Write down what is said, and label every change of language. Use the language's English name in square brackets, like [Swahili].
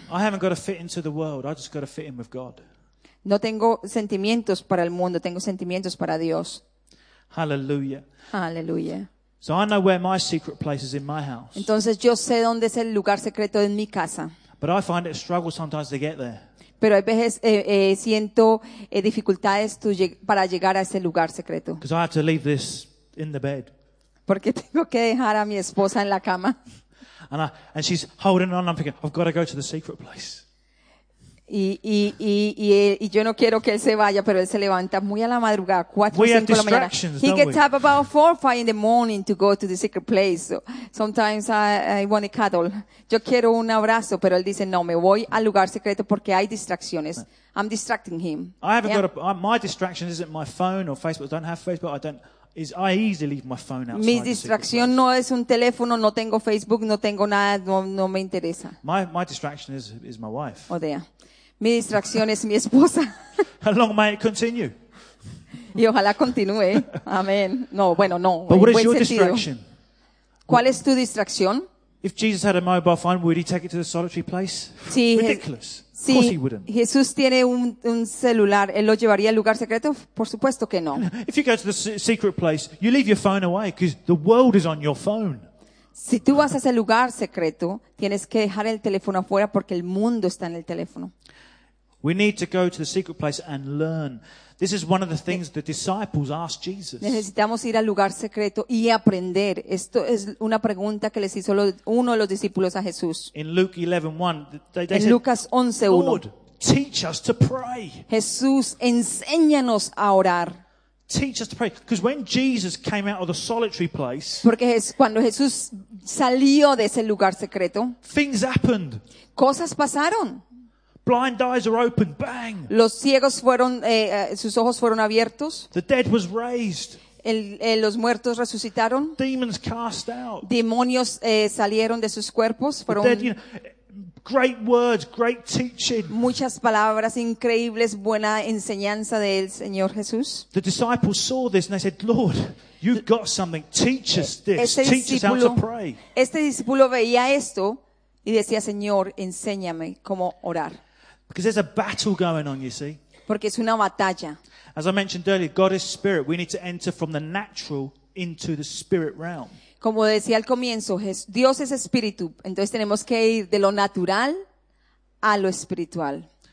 [English] I haven't got to fit into the world. I just got to fit in with God. [Spanish] No tengo sentimientos para el mundo. Tengo sentimientos para Dios. Hallelujah. Hallelujah. [English] So I know where my secret place is in my house. [Spanish] Entonces yo sé dónde es el lugar secreto en mi casa. [English] But I find it a struggle sometimes to get there. [Spanish] Pero a veces siento dificultades para llegar a ese lugar secreto. [English] Because I have to leave this in the bed. [Spanish] Porque tengo que dejar a mi esposa en la cama. [English] And she's holding on. I'm thinking, I've got to go to the secret place. [Spanish] Y yo no quiero que él se vaya, pero él se levanta muy a la madrugada, 4 o 5 de la mañana. [English] He gets we? Up about 4 or 5 in the morning to go to the secret place. So sometimes I want a cuddle. [Spanish] Yo quiero un abrazo, pero él dice, no, me voy al lugar secreto porque hay distracciones. [English] I'm distracting him. I haven't got my distraction isn't my phone or Facebook. I don't have Facebook. I easily leave my phone outside. [Spanish] Mi distracción no es un teléfono, no tengo Facebook, no tengo nada, no me interesa. [English] My distraction is my wife. Oh, dear. [Spanish] Mi distracción es mi esposa. [English] How long may it continue? [Spanish] Y ojalá continúe. Amén. No, bueno, no. [English] But what is your [Spanish] sentido. [English] Distraction? [Spanish] ¿Cuál es tu distracción? [English] If Jesus had a mobile phone, would he take it to the solitary place? [Spanish] Sí, [English] ridiculous. [Spanish] Sí, [English] of course he wouldn't. [Spanish] Jesús tiene un celular, él lo llevaría al lugar secreto, por supuesto que no. [English] If you go to the secret place, you leave your phone away because the world is on your phone. [Spanish] Si tú vas a ese lugar secreto, tienes que dejar el teléfono afuera porque el mundo está en el teléfono. [English] We need to go to the secret place and learn. This is one of the things the disciples asked Jesus. [Spanish] Necesitamos ir al lugar secreto y aprender. Esto es una pregunta que les hizo uno de los discípulos a Jesús. [English] In Luke 11:1, they said, Lucas 11, Lord, teach us to pray. [Spanish] Jesús, enséñanos a orar. [English] Teach us to pray. Because when Jesus came out of the solitary place, [Spanish] porque cuando Jesús salió de ese lugar secreto, [English] things happened. [Spanish] Cosas pasaron. [English] Blind eyes are open. Bang. [Spanish] Los ciegos fueron sus ojos fueron abiertos. [English] The dead was raised. [Spanish] Los muertos resucitaron. [English] Demons cast out. [Spanish] Demonios salieron de sus cuerpos, fueron [English] dead, you know, Great words, great teaching. [Spanish] Muchas palabras increíbles, buena enseñanza del Señor Jesús. [English] The disciples saw this and they said, Lord, you've got something. Teach us this. Teach us how to pray. [Spanish] Este discípulo veía esto y decía, Señor, enséñame cómo orar. [English] Because there's a battle going on, you see. [Spanish] Porque es una batalla. [English] As I mentioned earlier, God is spirit. We need to enter from the natural into the spirit realm. [Spanish] Como decía al comienzo, Dios es espíritu. Entonces tenemos que ir de lo natural a lo espiritual.